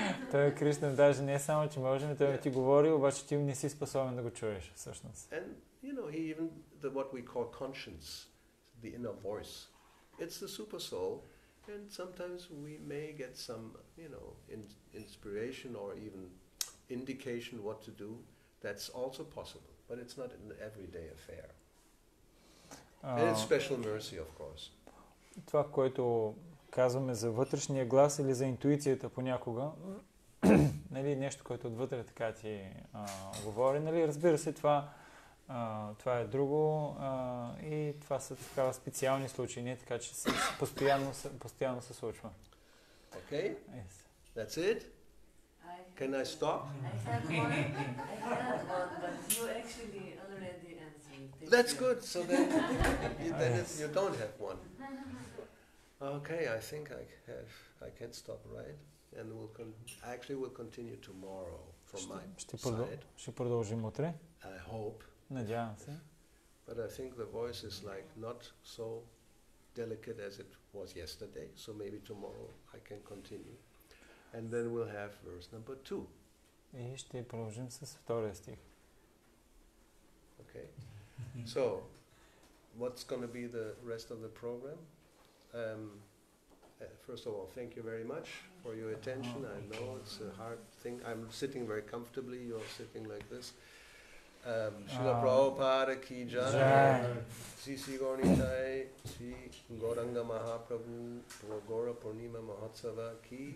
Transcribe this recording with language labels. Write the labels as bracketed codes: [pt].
[bg] Той е Кришна, даже не само ти може, но той ти говори, обаче ти не си способен да го чуеш всъщност. [en] And you know, he even the what we call conscience, the inner voice. It's the super soul, and sometimes we may get some, you know, inspiration or even indication what to do. That's also possible. But it's not an everyday affair. And it's special mercy, of course. [bg] Това, което казваме за вътрешния глас или за интуицията понякога, нали, нещо, което отвътре така ти говори, нали, разбира се, това е друго и това са такава специални случаи, не така, че постоянно се случва. [en] Okay, yes. That's it. Can I stop? I have one, but you actually already answered. That's good. So then you don't have one. Okay, I think I can stop, right? And we'll continue tomorrow from my side. [bg] Ще продължим утре. [en] I hope. [bg] Надявам се. [en] But I think the voice is like not so delicate as it was yesterday. So maybe tomorrow I can continue. And then we'll have verse number 2. [bg] И ще продължим с втория стих. [en] Okay. So, what's going to be the rest of the program? First of all, thank you very much for your attention. I know it's a hard thing. I'm sitting very comfortably. You're sitting like this. Srila Prabhupada ki jai. Sisi Gauri Chai, Sri Gauranga Mahaprabhu, Gaura Purnima Mahotsava ki